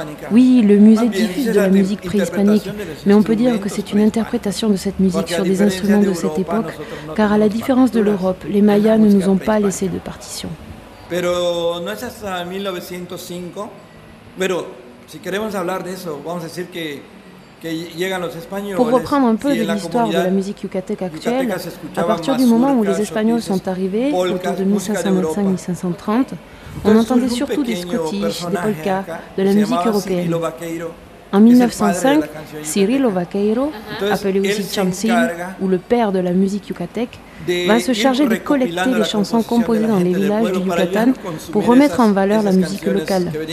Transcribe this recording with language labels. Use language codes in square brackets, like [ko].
[fr] Oui, le musée diffuse de la musique préhispanique, mais on peut dire que c'est une interprétation de cette musique sur des instruments de cette époque, car à la différence de l'Europe, les Mayas ne nous ont pas laissé de partition. [es] Pero no es hasta 1905, pero si queremos hablar de eso, vamos a decir que [fr] pour reprendre un peu de l'histoire de la musique yucatèque actuelle, à partir du moment où les Espagnols sont arrivés, autour de 1525-1530, on entendait surtout des scottish, des polkas, de la musique européenne. En 1905, Cirilo Vaqueiro, appelé aussi Chancin, ou le père de la musique yucatèque, va se charger de collecter les chansons composées dans les villages du Yucatan pour remettre en valeur la musique locale.